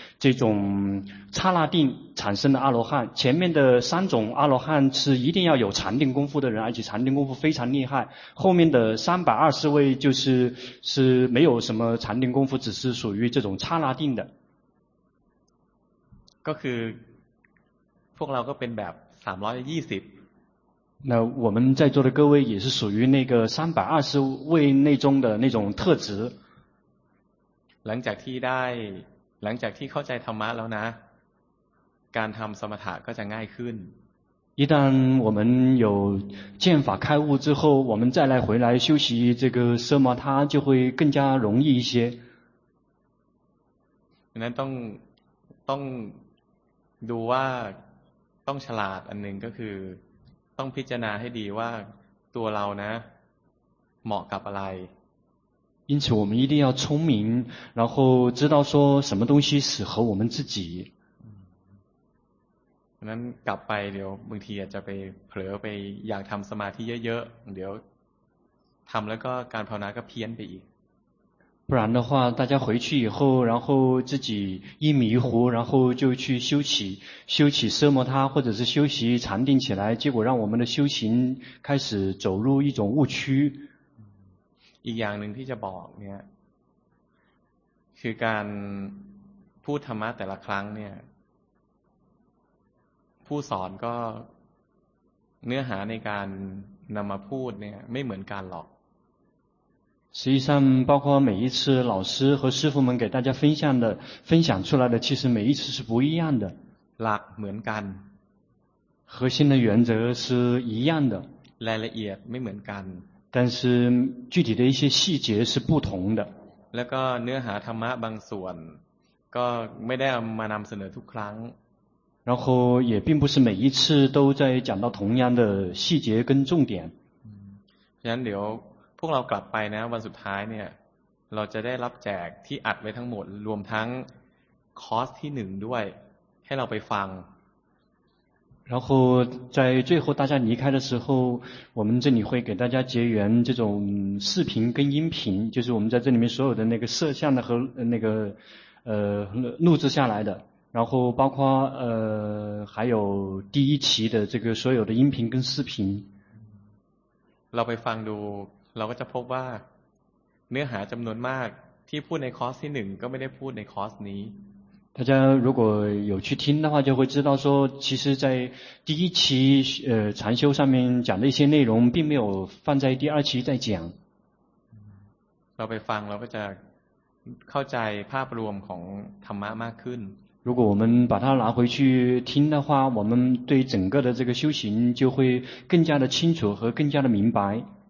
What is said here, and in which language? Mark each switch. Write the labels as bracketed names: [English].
[Chinese] 这种刹那定产生的阿罗汉前面的三种阿罗汉是一定要有禅定功夫的人而且禅定功夫非常厉害后面的320位就是没有什么禅定功夫只是属于这种刹那定的 [Thai] ก็คือพวกเราก็เป็นแบบ320 [Chinese] 那我们在座的各位也是属于那个320位那中的那种特质 [Thai] หลังจากที่ได้หลังจากที่เข้าใจธรรมะแล้วนะการทำสมถะก็จะง่ายขึ้น [Chinese] 一旦我们有见法开悟之后我们再来回来修习这个奢摩他就会更加容易一些 [Thai] นั้นต้องดูว่าต้องฉลาดอันหนึ่งก็คือ ต้องพิจารณาให้ดีว่าตัวเรานะเหมาะกับอะไร [Chinese] 因此我们一定要聪明然后知道说什么东西适合我们自己 [Thai] นั้นกลับไปเดี๋ยวบางทีอาจจะไปเผลอไปอยากทำสมาธิเยอะๆเดี๋ยวทำแล้วก็การภาวนาก็เพี้ยนไปอีก [Chinese] 不然的话大家回去以后然后自己一迷糊然后就去修起修起奢摩他或者是修习禅定起来结果让我们的修行开始走入一种误区 [Thai] อีกอย่างหนึ่งที่จะบอกเนี่ยคือการพูดธรรมะแต่ละครั้งเนี่ยผู้สอนก็เนื้อหาในการนำมาพูดเนี่ยไม่เหมือนกันหรอก [Chinese] 实际上包括每一次老师和师父们给大家分享出来的其实每一次是不一样的 [Thai] หลักเหมือนกัน [Chinese] 核心的原则是一样的 [Thai] รายละเอียดไม่เหมือนกัน แต่ [Chinese] 是具体的一些细节是不同的 [Thai] แล้วก็เนื้อหาธรรมะบางส่วนก็ไม่ได้มานำเสนอทุกครั้ง [Chinese] 然后也并不是每一次都在讲到同样的细节跟重点 [Thai] ฉะนั้นเดี๋ยวพวกเรากลับไปนะวันสุดท้ายเนี่ยเราจะได้รับแจกที่อัดไว้ทั้งหมดรวมทั้งคอร์สที่หนึ่งด้วยให้เราไปฟัง [Chinese] 然后在最后大家离开的时候我们这里会给大家结缘这种视频跟音频就是我们在这里面所有的那个摄像的和那个录制下来的然后包括还有第一期的这个所有的音频跟视频 [Thai] เราไปฟังดูเราก็จะพบว่าเนื้อหาจำนวนมากที่พูดในคอร์สที่หนึ่งก็ไม่ได้พูดในคอร์สนี้ [Chinese] 大家如果有去听的话就会知道说其实在第一期禅修上面讲的一些内容并没有放在第二期再讲 [Thai] เราไปฟังเราก็จะเข้าใจภาพรวมของธรรมะมากขึ้น [Chinese] 如果我们把它拿回去听的话我们对整个的这个修行就会更加的清楚和更加的明白